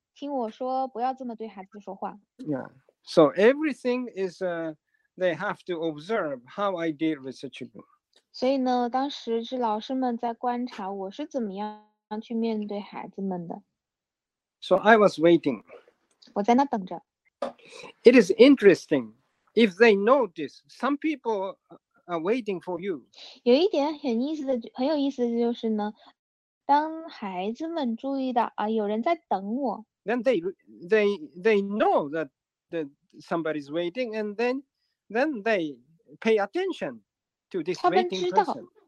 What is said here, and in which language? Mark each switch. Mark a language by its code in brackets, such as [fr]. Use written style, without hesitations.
[zh] 我当时已经告诉老师们一点，就是说，老师们不需要去让孩子安静，听我说，不要这么对孩子说话。 [en] Yeah. So everything is, they have to observe how I deal with the children. [zh] 所以呢，当时是老师们在观察我是怎么样去面对孩子们的。 [en] So I was waiting. [zh] 我在那等着。 [en] It is interesting if they notice some people are waiting for you. [zh] 有一点很有意思的就是呢，当孩子们注意到啊，有人在等我。 [en] Then they know that somebody's waiting, and then they pay attention to this waiting person.